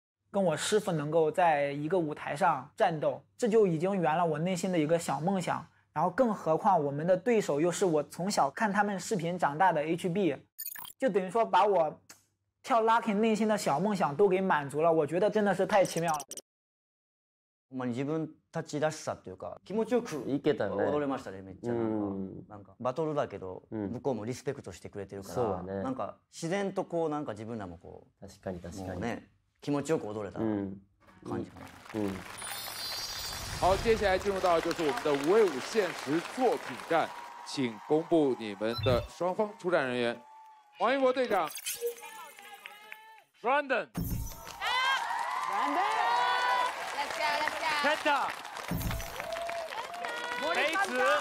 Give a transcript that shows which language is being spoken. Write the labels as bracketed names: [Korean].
[Chinese] 跟我师父能够在一个舞台上战斗，这就已经圆了我内心的一个小梦想。然后更何况我们的对手又是我从小看他们视频长大的 HB， 就等于说把我跳 locking 内心的小梦想都给满足了，我觉得真的是太奇妙了。 [Japanese] まあ、自分たちらしさというか気持ちよくいけたね、踊れましたね、めっちゃ、なんかバトルだけど、向こうもリスペクトしてくれてるから、そうだね、なんか自然とこうなんか自分らもこう確かにね、気持ちよく踊れた感じかな。 [Chinese] 好、接下来进入到就是我们的五位舞限时作品战、请公布你们的双方出战人员、王一博队长、 Brandon、 Brandon。 Kenta， 梅子，